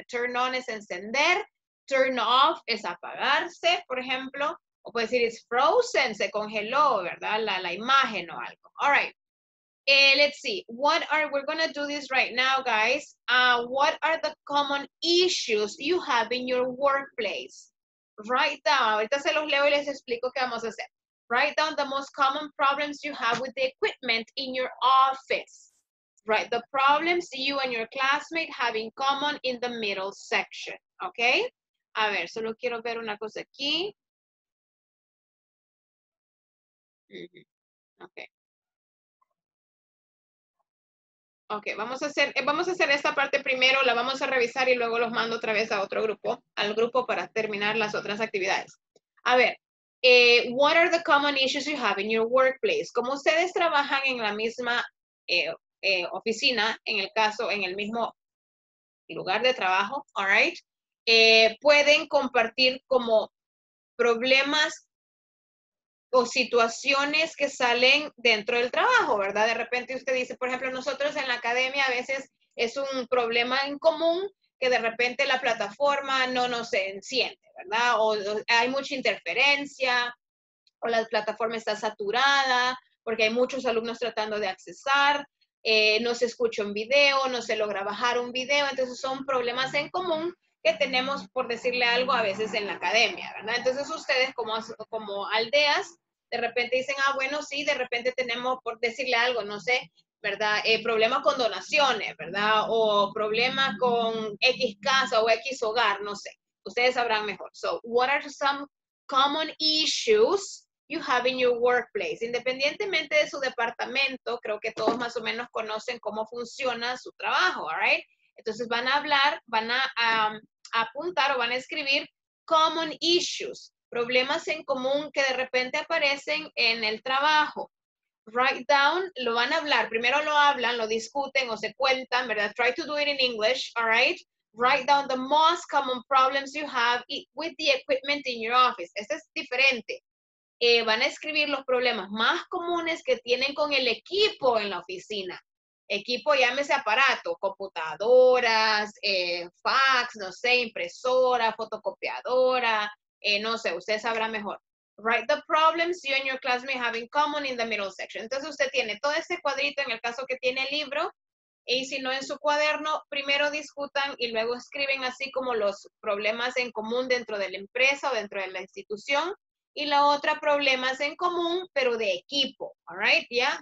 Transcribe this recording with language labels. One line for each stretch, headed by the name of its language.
English: Turn on
Spanish: es encender,
English: turn off
Spanish: es apagarse, por ejemplo, o puede decir
English: it's frozen,
Spanish: se congeló, ¿verdad? La imagen o algo.
English: All right, let's see, we're going to do this right now, guys. What are the common issues you have in your workplace? Write down,
Spanish: ahorita se los leo y les explico qué vamos a hacer.
English: Write down the most common problems you have with the equipment in your office. Write the problems you and your classmate have in common in the middle section. Okay?
Spanish: A ver, solo quiero ver una cosa aquí.
English: Okay.
Spanish: Okay, vamos a hacer esta parte primero, la vamos a revisar y luego los mando otra vez a otro grupo, al grupo para terminar las otras actividades. A ver.
English: What are the common issues you have in your workplace?
Spanish: Como ustedes trabajan en la misma oficina, en el caso, en el mismo lugar de trabajo,
English: all right?
Spanish: Pueden compartir como problemas o situaciones que salen dentro del trabajo, ¿verdad? De repente usted dice, por ejemplo, nosotros en la academia a veces es un problema en común que de repente la plataforma no nos enciende, ¿verdad? O hay mucha interferencia, o la plataforma está saturada, porque hay muchos alumnos tratando de accesar, no se escucha un video, no se logra bajar un video, entonces son problemas en común que tenemos, por decirle algo, a veces en la academia, ¿verdad? Entonces ustedes como aldeas, de repente dicen, ah, bueno, sí, de repente tenemos, por decirle algo, no sé, ¿verdad? Problemas con donaciones, ¿verdad? O problemas con X casa o X hogar, no sé. Ustedes sabrán mejor.
English: So, what are some common issues you have in your workplace?
Spanish: Independientemente de su departamento, creo que todos más o menos conocen cómo funciona su trabajo,
English: ¿all right?
Spanish: Entonces van a hablar, van a apuntar o van a escribir
English: common issues,
Spanish: problemas en común que de repente aparecen en el trabajo.
English: Write down,
Spanish: lo van a hablar, primero lo hablan, lo discuten o se cuentan, ¿verdad?
English: Try to do it in English, all right? Write down the most common problems you have with the equipment in your office.
Spanish: Este es diferente. Van a escribir los problemas más comunes que tienen con el equipo en la oficina. Equipo, llámese aparato, computadoras, fax, no sé, impresora, fotocopiadora, no sé, usted sabrá mejor. Write the problems you and your classmate have in common in the middle section. Entonces usted tiene todo este cuadrito en el caso que tiene el libro, y si no en su cuaderno, primero discutan y luego escriben así como los problemas en común dentro de la empresa o dentro de la institución. Y la otra, problemas en común, pero de equipo,
English: ¿all right?
Spanish: ¿Ya?